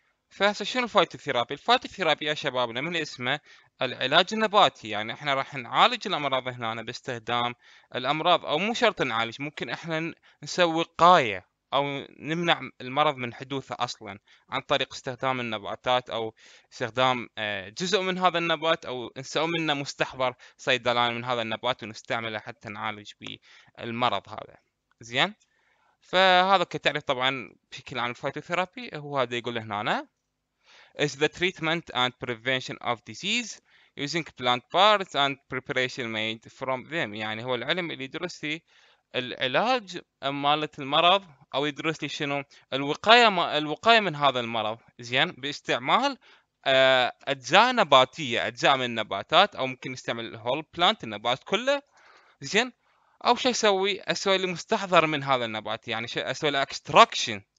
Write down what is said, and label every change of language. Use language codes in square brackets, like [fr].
[ar] فهسه شنو الفايتوثيرابي؟ الفايتوثيرابي يا شبابنا من اسمه العلاج النباتي، يعني احنا راح نعالج الامراض هنا باستخدام الامراض، او مو شرط نعالج، ممكن احنا نسوي وقايه او نمنع المرض من حدوثه اصلا عن طريق استخدام النباتات او استخدام جزء من هذا النبات، او نسوي منه مستحضر صيدلاني من هذا النبات ونستعمله حتى نعالج به المرض هذا. زين، فهذا كتعريف طبعا بشكل عام الفايتوثيرابي هو هذا يقول هنا [en] is the treatment and prevention of disease using plant parts and preparation made from them. [ar] يعني هو العلم اللي يدرس العلاج مالت المرض، او يدرس لي شنو الوقايه، ما الوقايه من هذا المرض. زين، باستعمال اجزاء نباتيه، اجزاء من النباتات، او ممكن نستعمل الهول بلانت، النبات كله. زين، او شو اسوي؟ اسوي لي مستحضر من هذا النبات، يعني شو اسوي؟ اكستراكشن.